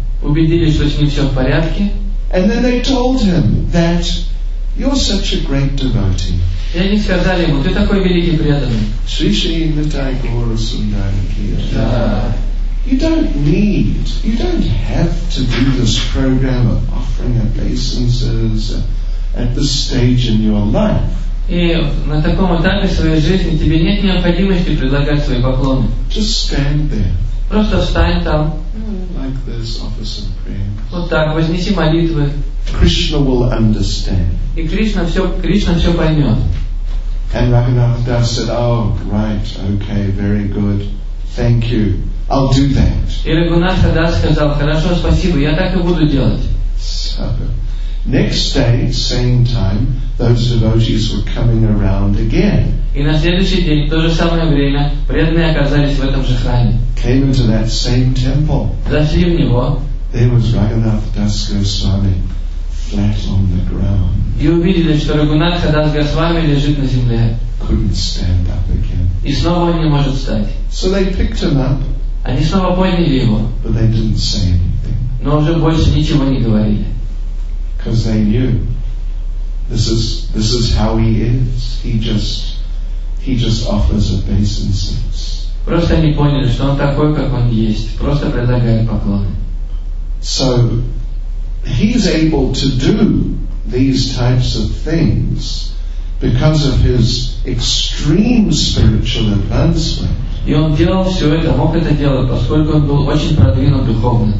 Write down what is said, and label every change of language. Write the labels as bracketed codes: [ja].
[ru] Убедились, что с ним все в порядке. [en] And then they told him that you're such a great devotee. [ru] И они сказали ему, ты такой великий преданный. Шри Шри Нитай Гуру Сундарики. [en] You don't have to do this program of offering obeisances at this stage in your life. [ru] И на таком этапе своей жизни тебе нет необходимости предлагать свои поклоны. [en] Just stand there. [ru] Просто встань там. [en] Like this, offer some prayers. [ru] Вот так, вознеси молитвы. [en] Krishna will understand. [ru] И Кришна все поймет. [en] And Raghunath Das said, "Oh, right, okay, very good, thank you." I'll do that. [ru] И Рагунатха Дас сказал, хорошо, спасибо, я так и буду делать. [en] So, next day, same time, those devotees were coming around again. [ru] И на следующий день, в то же самое время, преданные оказались в этом же храме. [en] Came into that same temple. [ru] Зашли в него. [en] There was Raghunath Das Goswami flat on the ground. [ru] И увидели, что Рагунатха Дас Госвами лежит на земле. [en] Couldn't stand up again. [ru] И снова он не может встать. [en] So they picked him up. [ru] Они снова поняли его. [en] But they didn't say anything. [ru] Но уже больше ничего не говорили. [en] Because they knew this is how he is. He just offers obeisances. [ru] Просто они поняли, что он такой, как он есть. Просто предлагали поклоны. [en] So he's able to do these types of things because of his extreme spiritual advancement. [ru] И он делал все это, мог это делать, поскольку он был очень продвинут духовно.